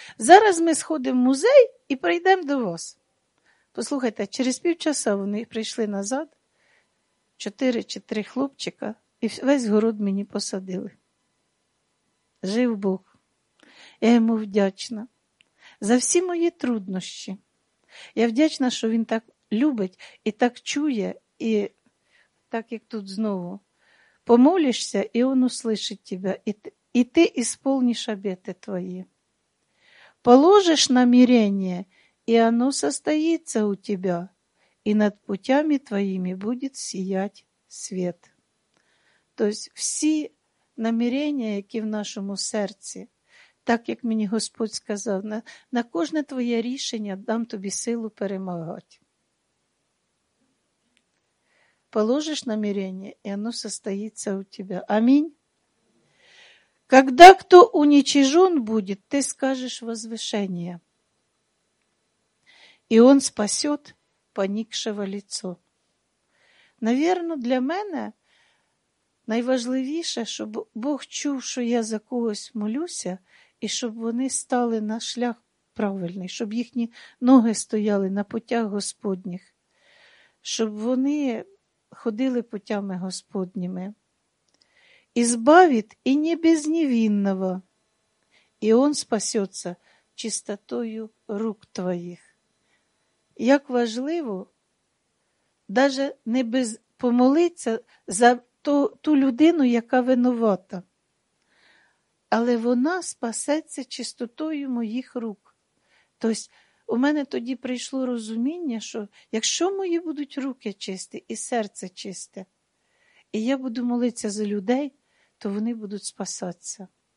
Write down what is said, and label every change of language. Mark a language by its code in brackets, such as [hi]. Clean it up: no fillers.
[uk] Зараз ми сходимо в музей і прийдемо до вас». Послухайте, через півчаса вони прийшли назад, 4 чи 3 хлопчика, і весь город мені посадили. Жив Бог. Я йому вдячна за всі мої труднощі. Я вдячна, що він так любить і так чує, і так, як тут знову. Помолишся, і Он услышить тебя, і ти исполнишь обети твої. Положиш намірення, і оно состоится у тебя, і над путями твоїми буде сіять світ. Тобто всі намірення, які в нашому серці, так як мені Господь сказав, на кожне твоє рішення дам тобі силу перемагати. [ru] Положиш намерение, и оно состоится у тебя. Аминь. Когда кто уничижен будет, ты скажешь возвышение. И он спасет поникшего лицо. [uk] Наверное, для меня найважливіше, щоб Бог чув, що я за когось молюся, і щоб вони стали на шлях правильний, щоб їхні ноги стояли на путях Господніх, щоб вони ходили путями Господніми. [ru] «Избавит и не без невинного, и он спасется чистотою рук твоих». [uk] Як важливо даже не без помолиться за ту людину, яка винувата, але вона спасеться чистотою моїх рук. Тобто у мене тоді прийшло розуміння, що якщо мої будуть руки чисті і серце чисте, і я буду молитися за людей, то вони будуть спасатися.